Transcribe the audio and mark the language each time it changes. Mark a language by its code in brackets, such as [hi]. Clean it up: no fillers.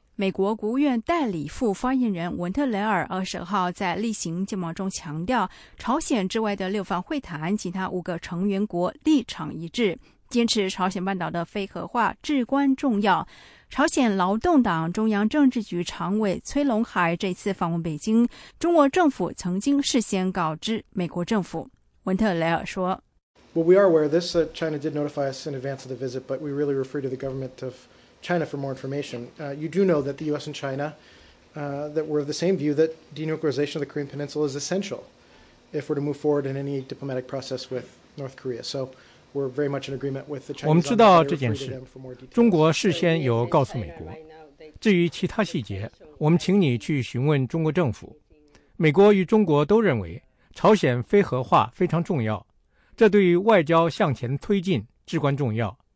[zh] 美国国务院代理副发言人文特雷尔20号在例行见报中强调，朝鲜之外的六方会谈其他五个成员国立场一致，坚持朝鲜半岛的非核化至关重要。朝鲜劳动党中央政治局常委崔龙海这次访问北京，中国政府曾经事先告知美国政府。文特雷尔说， [en] Well, we are aware of this. China did notify us in advance of the visit, but we really refer to the government of China for more information. You do know that the U.S. and China, that we're of the same view that denuclearization of the Korean Peninsula is essential if we're to move forward in any diplomatic process with North Korea. So,We're very much in agreement with the [zh] 我们知道这件事，中国事先有告诉美国。至于其他细节，我们请你去询问中国政府。美国与中国都认为朝鲜非核化非常重要，这对于外交向前推进至关重要。